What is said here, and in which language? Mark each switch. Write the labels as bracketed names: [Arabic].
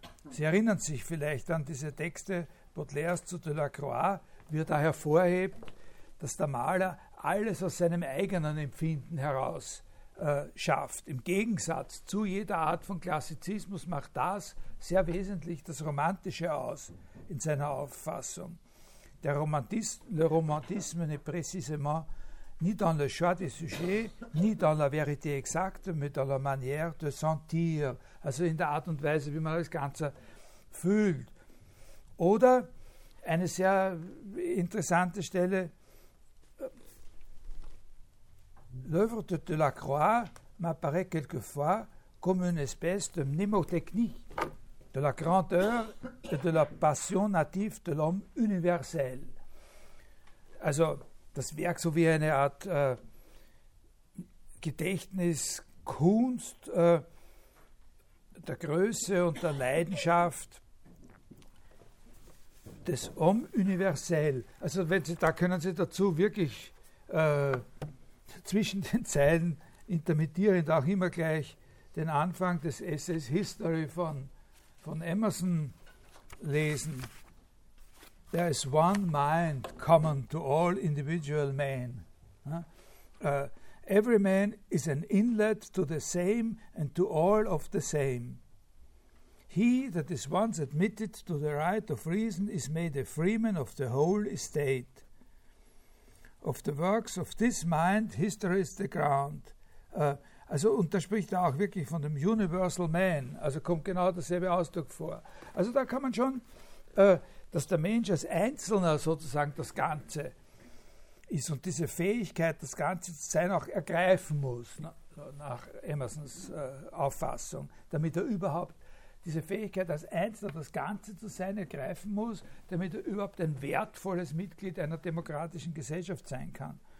[German] Sie erinnern sich vielleicht an diese Texte Baudelaires zu Delacroix, wie er da hervorhebt, dass der Maler alles aus seinem eigenen Empfinden heraus schafft. Im Gegensatz zu jeder Art von Klassizismus macht das sehr wesentlich das Romantische aus in seiner Auffassung. [French] Der Le romantisme n'est précisément ni dans le choix des sujets, ni dans la vérité exacte, mais dans la manière de sentir, [German] also in der Art und Weise, wie man das Ganze fühlt. Oder eine sehr interessante Stelle, [French] L'œuvre de Delacroix m'apparaît quelquefois comme une espèce de mnémotechnie de la grandeur et de la passion native de l'homme universel. [German] Also das Werk so wie eine Art Gedächtniskunst der Größe und der Leidenschaft des Homme universel. Also wenn Sie, da können Sie dazu wirklich zwischen den Zeilen intermittierend auch immer gleich den Anfang des Essays History von Emerson lesen. [English] There is one mind common to all individual men. Every man is an inlet to the same and to all of the same. He that is once admitted to the right of reason is made a freeman of the whole estate. Of the works of this mind, history is the ground. [German] Also, und da spricht er auch wirklich von dem Universal Man. Also kommt genau derselbe Ausdruck vor. Also da kann man schon, dass der Mensch als Einzelner sozusagen das Ganze ist und diese Fähigkeit, das Ganze zu sein, auch ergreifen muss, nach Emersons Auffassung, damit er überhaupt diese Fähigkeit als Einzelner, das Ganze zu sein, ergreifen muss, damit er überhaupt ein wertvolles Mitglied einer demokratischen Gesellschaft sein kann.